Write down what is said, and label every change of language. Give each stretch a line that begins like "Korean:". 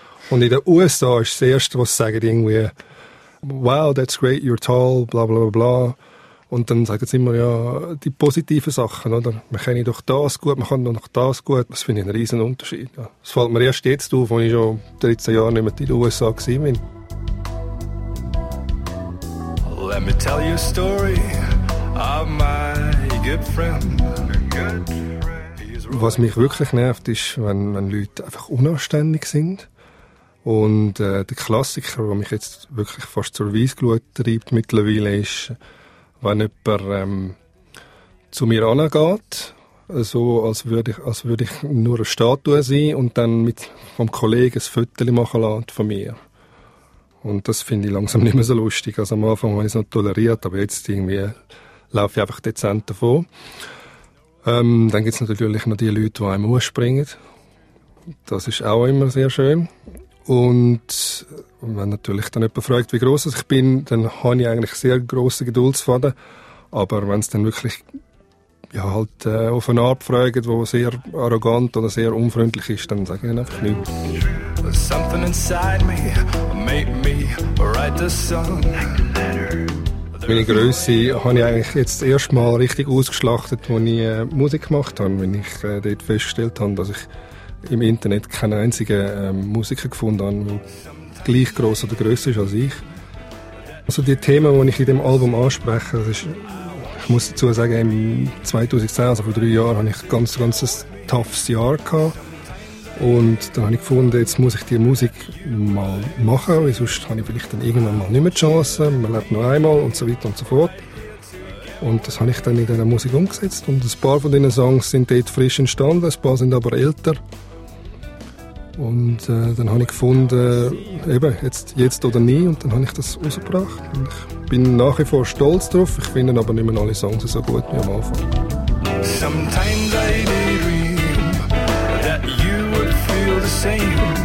German: Und in den USA ist das Erste, was sie sagen, irgendwie,
English: wow, that's great, you're tall, bla bla
German: bla bla. Und dann sagen sie immer, ja, die positiven Sachen, oder? Man kennt doch das gut, man kann doch das gut. Das finde ich einen riesen Unterschied. Ja. Das fällt mir erst jetzt auf, als ich schon 13 Jahre nicht mehr in den USA war.
English: Let me tell you a story of my good friend.
German: Was mich wirklich nervt, ist, wenn Leute einfach unanständig sind. Und der Klassiker, der mich jetzt wirklich fast zur Weissglut treibt mittlerweile, ist, wenn jemand zu mir herangeht, so als würde ich nur eine Statue sein und dann mit vom Kollegen ein Foto machen lässt von mir. Und das finde ich langsam nicht mehr so lustig. Also am Anfang habe ich es noch toleriert, aber jetzt irgendwie laufe ich einfach dezent davon. Dann gibt es natürlich noch die Leute, die einem ausspringen. Das ist auch immer sehr schön. Und wenn natürlich dann jemand fragt, wie gross ich bin, dann habe ich eigentlich sehr grossen Geduldsfaden. Aber wenn es dann wirklich ja, halt, auf eine Art fragt, die sehr arrogant oder sehr unfreundlich ist, dann sage ich einfach nichts.
English: Something inside me made me write the song.
German: Meine Grösse habe ich eigentlich jetzt erstmal richtig ausgeschlachtet, als ich Musik gemacht habe, wenn ich dort festgestellt habe, dass ich im Internet keinen einzigen Musiker gefunden habe, der gleich gross oder grösser ist als ich. Also die Themen, die ich in diesem Album anspreche, das ist, ich muss dazu sagen, im 2010, also vor 3 Jahren, hatte ich ganz ein toughes Jahr gehabt. Und dann habe ich gefunden, jetzt muss ich die Musik mal machen, weil sonst habe ich vielleicht dann irgendwann mal nicht mehr die Chance, man lebt noch einmal und so weiter und so fort. Und das habe ich dann in dieser Musik umgesetzt. Und ein paar von diesen Songs sind dort frisch entstanden, ein paar sind aber älter. Und dann habe ich gefunden, eben, jetzt oder nie, und dann habe ich das rausgebracht. Und ich bin nach wie vor stolz drauf, ich finde aber nicht mehr alle Songs so gut wie am Anfang.
English: Sometimes I dream that you would feel the same.